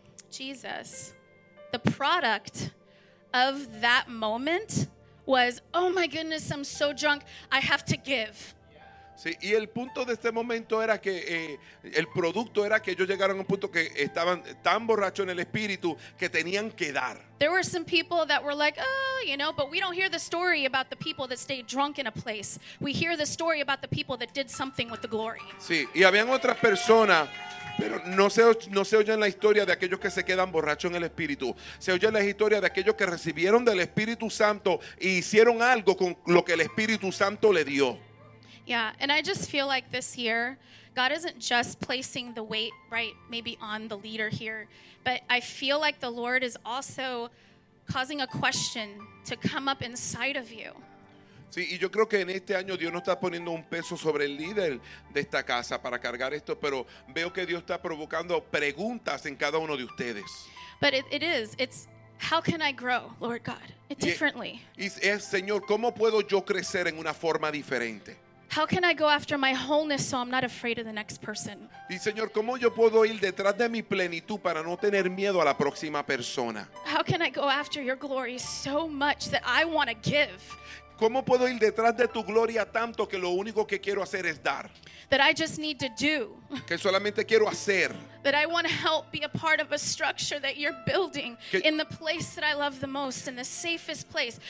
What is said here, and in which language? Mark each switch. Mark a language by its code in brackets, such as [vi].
[en] But the product of that moment was, oh my goodness, I'm so drunk, I have to give. [es] Sí, y el punto de este momento era que el producto era que ellos llegaron a un punto que estaban tan borrachos en el espíritu que tenían que dar. [en] There were some people that were like, oh, you know, but we don't hear the story about the people that stayed drunk in a place. We hear the story about the people that did something with the glory. [es] Sí, y habían otras personas, pero no se oye en la historia de aquellos que se quedan borrachos en el espíritu. Se oye en la historia de aquellos que recibieron del Espíritu Santo e hicieron algo con lo que el Espíritu Santo le dio. [en] Yeah, and I just feel like this year, God isn't just placing the weight, right, maybe on the leader here, but I feel like the Lord is also causing a question to come up inside of you. [es] Sí, y yo creo que en este año Dios no está poniendo un peso sobre el líder de esta casa para cargar esto, pero veo que Dios está provocando preguntas en cada uno de ustedes. [en] But it's how can I grow, Lord God, differently? [es] Es, Señor, ¿cómo puedo yo crecer en una forma diferente? [en] How can I go after my wholeness so I'm not afraid of the next person? [es] Y Señor, ¿cómo yo puedo ir detrás de mi plenitud para no tener miedo a la próxima persona? [en] How can I go after your glory so much that I want to give? [es] ¿Cómo puedo ir detrás de tu gloria tanto que lo único que quiero hacer es dar? [en] That I just need to do. [es] Que solamente quiero hacer. [en] That I want to help be a part of a structure that you're building que, in the place that I love the most, in the safest place.